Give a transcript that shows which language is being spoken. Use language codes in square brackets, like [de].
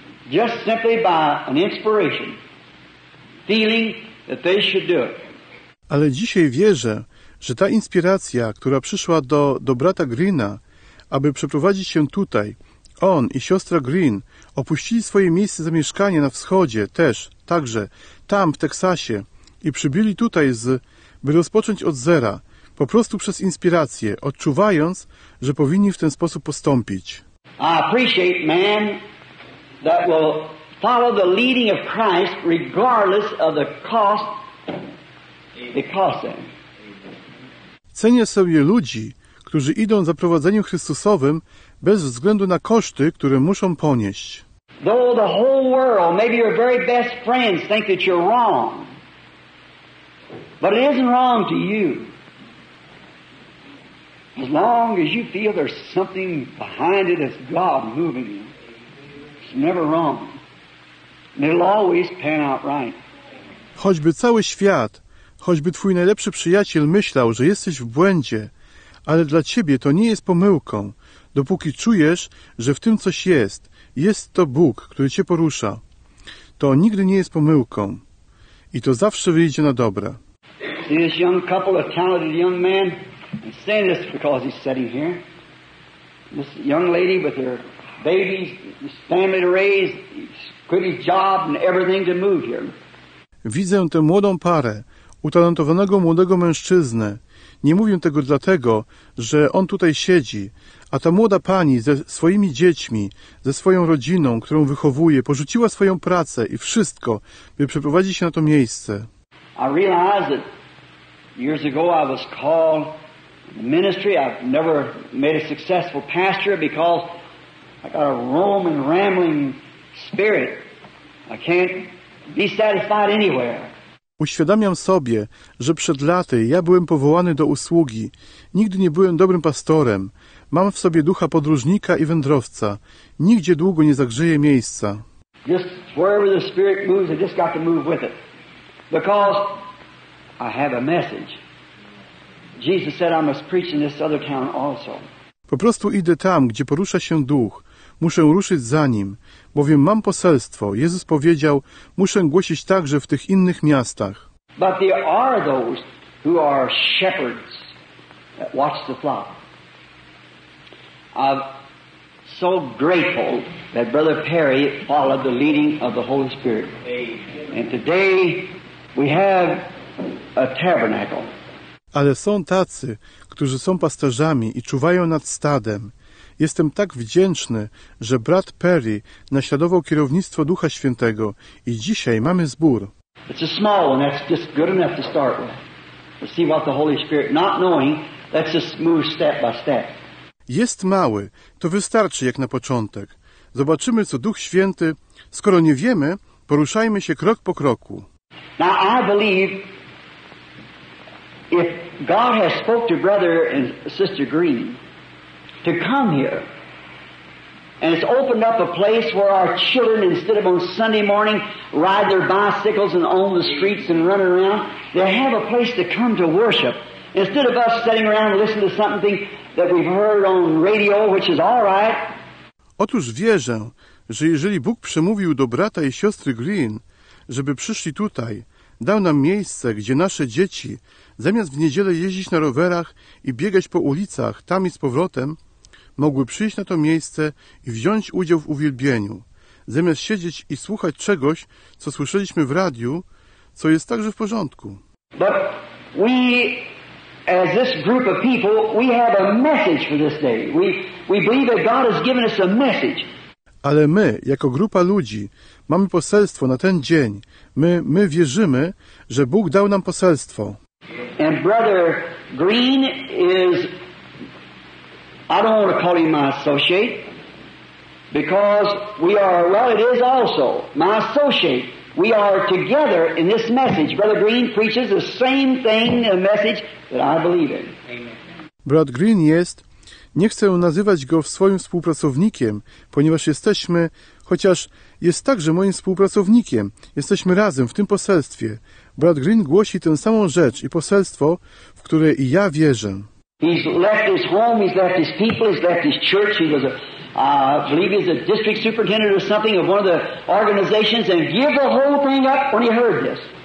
[en] Just simply by an inspiration, feeling that they should do it. [pl] Ale dzisiaj wierzę, że ta inspiracja, która przyszła do brata Greena, aby przeprowadzić się tutaj, on i siostra Green opuścili swoje miejsce zamieszkania na wschodzie, też, także tam w Teksasie, i przybyli tutaj z, by rozpocząć od zera, po prostu przez inspirację, odczuwając, że powinni w ten sposób postąpić. [en] I appreciate man that will follow the leading of Christ regardless of the cost it costs them. [pl] Cenię sobie ludzi, którzy idą za prowadzeniem Chrystusowym bez względu na koszty, które muszą ponieść. [en] Though the whole world, maybe your very best friends, think that you're wrong, but it isn't wrong to you. As long as you feel there's something behind it that's God moving you, it's never wrong. And it'll always pan out right. [pl] Choćby cały świat, choćby twój najlepszy przyjaciel myślał, że jesteś w błędzie, ale dla ciebie to nie jest pomyłką, dopóki czujesz, że w tym coś jest, jest to Bóg, który cię porusza. To nigdy nie jest pomyłką i to zawsze wyjdzie na dobre. [en] See this young couple of talented young men? I'm saying this because he's sitting here. This young lady with her babies, his family to raise, quit his job and everything to move here. [pl] Widzę tę młodą parę, utalentowanego młodego mężczyznę. Nie mówię tego dlatego, że on tutaj siedzi, a ta młoda pani ze swoimi dziećmi, ze swoją rodziną, którą wychowuje, porzuciła swoją pracę i wszystko, by przeprowadzić się na to miejsce. [en] I realized that years ago I was called to ministry. I've never made a successful pastor because I got a roaming, rambling spirit. I can't be satisfied anywhere. [pl] Uświadamiam sobie, że przed laty ja byłem powołany do usługi. Nigdy nie byłem dobrym pastorem. Mam w sobie ducha podróżnika i wędrowca. Nigdzie długo nie zagrzeję miejsca. [en] Just wherever the Spirit moves, I just got to move with it. Because I have a message. Jesus said I must preach in this other town also. [pl] Po prostu idę tam, gdzie porusza się duch. Muszę ruszyć za nim, bowiem mam poselstwo. Jezus powiedział, muszę głosić także w tych innych miastach. [en] But there are those who are shepherds that watch the flock. I'm so grateful that Brother Perry followed the leading of the Holy Spirit. And today we have a tabernacle. [pl] Ale są tacy, którzy są pasterzami i czuwają nad stadem. Jestem tak wdzięczny, że brat Perry naśladował kierownictwo Ducha Świętego i dzisiaj mamy zbór. [en] It's a small one, that's just good enough to start with. Let's see what the Holy Spirit, not knowing, let's just move step by step. [pl] Jest mały, to wystarczy jak na początek. Zobaczymy, co Duch Święty, skoro nie wiemy, poruszajmy się krok po kroku. [en] Now I believe if God has spoke to brother and sister Green to come here, and it's opened up a place where our children, instead of on Sunday morning, ride their bicycles and on the streets and run around, they have a place to come to worship. Instead of us sitting around and listening to something that we've heard on radio, which is all right. [pl] Otóż wierzę, że jeżeli Bóg przemówił do brata i siostry Green, żeby przyszli tutaj, dał nam miejsce, gdzie nasze dzieci, zamiast w niedzielę jeździć na rowerach i biegać po ulicach tam i z powrotem, mogły przyjść na to miejsce i wziąć udział w uwielbieniu, zamiast siedzieć i słuchać czegoś, co słyszeliśmy w radiu, co jest także w porządku. [en] But we, as this group of people, we have a message for this day. We believe that God has given us a message. [pl] Ale my, jako grupa ludzi, mamy poselstwo na ten dzień. My wierzymy, że Bóg dał nam poselstwo. [en] And brother Green is, I don't want to call him my associate, because we are, well, it is also my associate. We are together in this message. Brother Green preaches the same thing, a message that I believe in. [pl] Brat Green jest, nie chcę nazywać go swoim współpracownikiem, ponieważ jesteśmy, chociaż jest także moim współpracownikiem, jesteśmy razem w tym poselstwie. Brat Green głosi tę samą rzecz i poselstwo, w które i ja wierzę. [en] He's left his home, he's left his people, he's left his church. He was I believe he's a district superintendent or something of one of the organizations, and gave the whole thing up when he heard this.